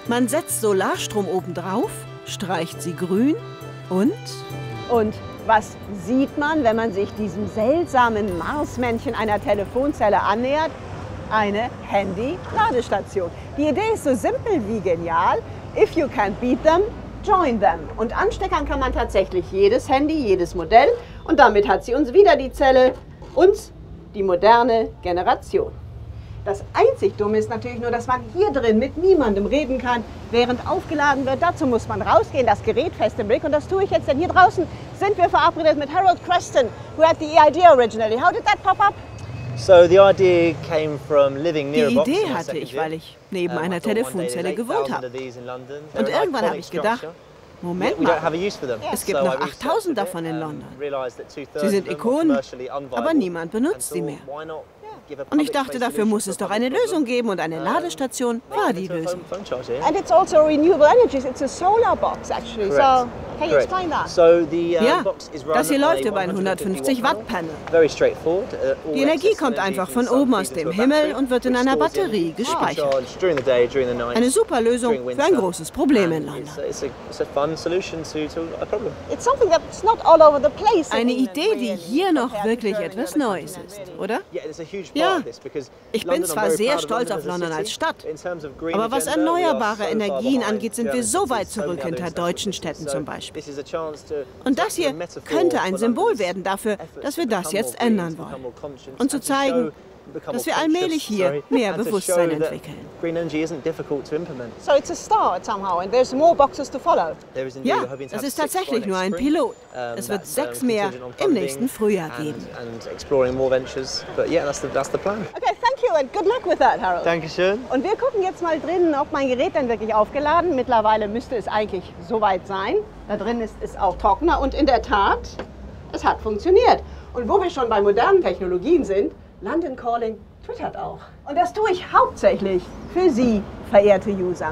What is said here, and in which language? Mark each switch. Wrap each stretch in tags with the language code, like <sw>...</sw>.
<de>Man setzt Solarstrom obendrauf, streicht sie grün und... Und was sieht man, wenn man sich diesem seltsamen Marsmännchen einer Telefonzelle annähert? Eine Handy-Ladestation. Die Idee ist so simpel wie genial.</de> <en>If you can't beat them, join them.</en> <de>Und ansteckern kann man tatsächlich jedes Handy, jedes Modell. Und damit hat sie uns wieder die Zelle. Uns, die moderne Generation. Das einzig Dumme ist natürlich nur, dass man hier drin mit niemandem reden kann, während aufgeladen wird. Dazu muss man rausgehen, das Gerät fest im Blick. Und das tue ich jetzt, denn hier draußen sind wir verabredet mit Harold Creston,</de> <en>who had the idea originally. How did that pop up? So the idea came from living near a box.</en> <de>Die Idee hatte ich, weil ich neben einer Telefonzelle gewohnt habe. Und irgendwann habe ich gedacht, Moment mal, es gibt noch 8000 davon in London. Sie sind Ikonen, aber niemand benutzt sie mehr. Und ich dachte, dafür muss es doch eine Lösung geben und eine Ladestation war die Lösung.</de> <en>And it's also renewable energy, it's a solar box actually. So, can you explain that? So the</en> <de>das hier läuft über ein 150 Watt Panel.</de> <en>Very straightforward.</en> <de>Die Energie kommt einfach von oben aus dem Himmel und wird in einer Batterie gespeichert. Eine super Lösung für ein großes Problem in London.</de> <en>It's a fun solution to a problem. It's something that's not all over the place.</en> <de>Eine Idee, die hier noch wirklich etwas Neues ist, oder? Ja, ich bin zwar sehr stolz auf London als Stadt, aber was erneuerbare Energien angeht, sind wir so weit zurück hinter deutschen Städten zum Beispiel. Und das hier könnte ein Symbol werden dafür, dass wir das jetzt ändern wollen. Und zu zeigen, dass wir allmählich hier mehr Bewusstsein entwickeln.</de> <en>So it's a start somehow and there's more boxes to follow.</en> <de>Ja, das ist tatsächlich nur ein Pilot. Es wird 6 mehr im nächsten Frühjahr geben.</de> <en>And exploring more ventures, but yeah, that's the plan. Okay, thank you and good luck with that, Harold.</en> <de>Dankeschön. Und wir gucken jetzt mal drinnen, ob mein Gerät denn wirklich aufgeladen. Mittlerweile müsste es eigentlich soweit sein. Da drin ist es auch trockener und in der Tat, es hat funktioniert. Und wo wir schon bei modernen Technologien sind, London Calling twittert auch. Und das tue ich hauptsächlich für Sie, verehrte User.</de>